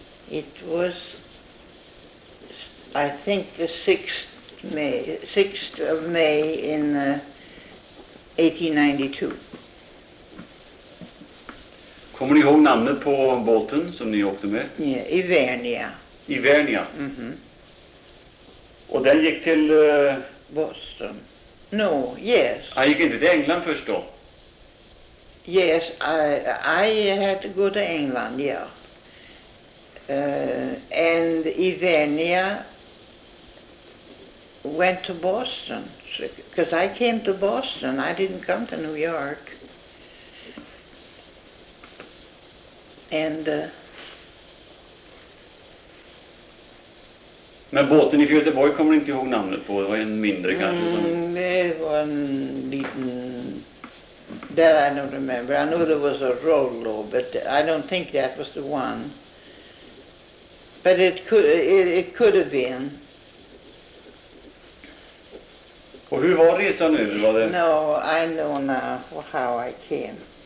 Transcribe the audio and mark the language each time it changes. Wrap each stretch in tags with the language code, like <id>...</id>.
<en>It was, I think, the 6th of May in 1892.</en> <sv>Kommer ni ihåg namnet på båten som ni åkte med? Ja, yeah, Ivernia. Ivernia? Mm-hmm. Och den gick till...</sv> <en>Boston. No, yes.</en> <sv>Han gick inte till England först då?</sv> <en>Yes, I had to go to England, yeah. And Ivernia went to Boston, because I came to Boston, I didn't come to New York. And...</en> <sv>Men båten i Göteborg kommer inte ihåg namnet på, det var en mindre kanske som... Det var en liten...</sv> <en>That I don't remember. I know there was a Rollo, but I don't think that was the one. But it could have been.</en> <sv>Och hur var resan nu? Var det?</sv> <en>No, I know now how I came.</en>